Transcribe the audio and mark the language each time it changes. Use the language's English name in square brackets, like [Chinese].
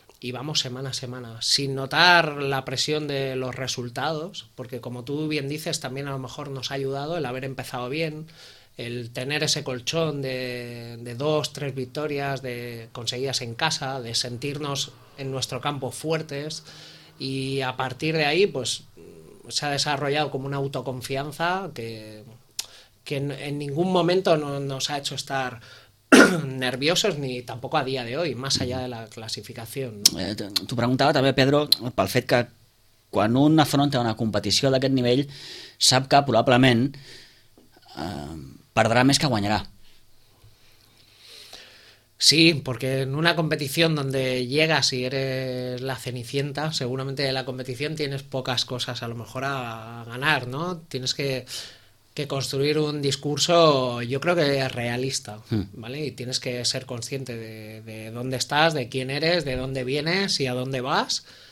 [Spanish] Y vamos semana a semana, sin notar la presión de los resultados, porque como tú bien dices, también a lo mejor nos ha ayudado el haber empezado bien, el tener ese colchón de dos, tres victorias de conseguidas en casa, de sentirnos en nuestro campo fuertes, y a partir de ahí, pues se ha desarrollado como una autoconfianza que en ningún momento no, nos ha hecho estar nerviosos ni tampoco a día de hoy, más allá de la clasificación, ¿no? [Catalan] T'ho preguntava també, Pedro, pel fet que quan un afronta una competició d'aquest nivell sap que probablement perdrà més que guanyarà. [Spanish] Sí, porque en una competición donde llegas y eres la cenicienta, seguramente de la competición tienes pocas cosas a lo mejor a ganar, ¿no? Tienes que construir un discurso, yo creo que realista. ¿Vale? Y tienes que ser consciente de dónde estás, de quién eres, de dónde vienes y a dónde vas.